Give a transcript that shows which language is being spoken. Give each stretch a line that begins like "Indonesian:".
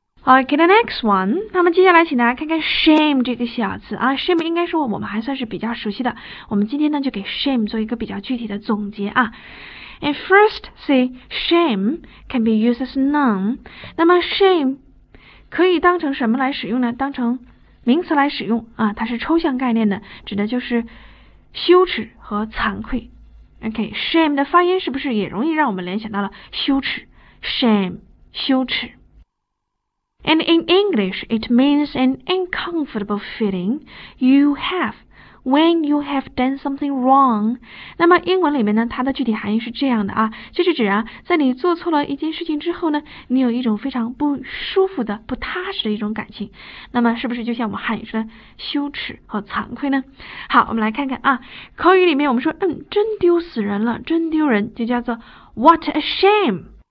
English: Okay, the next one.
Chinese: 那么接下来请大家看看 shame 这个小词啊。 Shame 应该说我们还算是比较熟悉的。我们今天呢就给 shame 做一个比较具体的总结啊。
English: And first, see, shame can be used as noun.
Chinese: 那么 shame 可以当成什么来使用呢？当成名词来使用啊，它是抽象概念的，指的就是羞耻和惭愧。 Okay, shame 的发音是不是也容易让我们联想到了羞耻 ？Shame, 羞耻。
English: And in English, it means an uncomfortable feeling you have when you have done something wrong.
Chinese: 那么英文里面呢，它的具体含义是这样的啊，就是指啊，在你做错了一件事情之后呢，你有一种非常不舒服的、不踏实的一种感情。那么是不是就像我们汉语说的羞耻和惭愧呢？好，我们来看看啊，口语里面我们说，嗯，真丢死人了，真丢人，就叫做
English: What a shame!